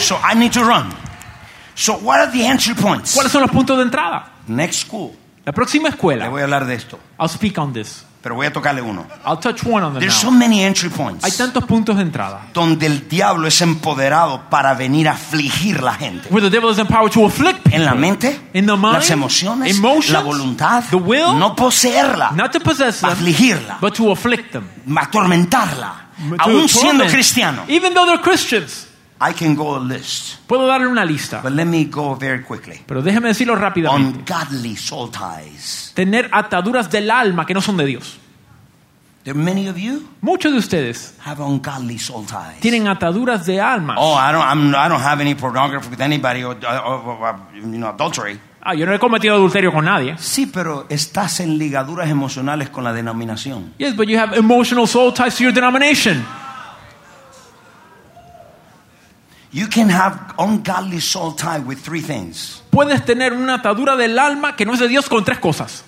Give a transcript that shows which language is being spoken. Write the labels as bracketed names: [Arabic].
[English] So I need to run. So what are the entry points? [Spanish] ¿Cuáles son los puntos de entrada? [English] Next school. [Spanish] La próxima escuela. Le voy a hablar de esto. [English] I'll speak on this. [Spanish] Pero voy a tocarle uno. [English] I'll touch one on them. There's now. So many entry points. [Spanish] Hay tantos puntos de entrada. Donde el diablo es empoderado para venir a afligir la gente. [English] Where the devil is empowered to afflict people. [Spanish] En la mente. [English] In the mind. [Spanish] Las emociones. [English] Emotions. [Spanish] La voluntad. [English] The will. [Spanish] No poseerla. [English] Not to possess them. [Spanish] Afligirla. [English] But to afflict them. [Spanish] Atormentarla. Aún siendo cristiano. [English] Even though they're Christians. I can go a list. [Spanish] Puedo darle una lista. [English] But let me go very quickly. [Spanish] Pero déjeme decirlo rápidamente. [English] Ungodly soul ties. [Spanish] Tener ataduras del alma que no son de Dios. [English] There are many of you. [Spanish] Muchos de ustedes. [English] Have ungodly soul ties. [Spanish] Tienen ataduras de alma. [English] Oh, I don't have any pornography with anybody or adultery. [Spanish] Ah, yo no he cometido adulterio con nadie. Sí, pero estás en ligaduras emocionales con la denominación. [English] Yes, but you have emotional soul ties to your denomination. You can have ungodly soul tie with three things. [Spanish] Puedes tener una atadura del alma que no es de Dios con tres cosas.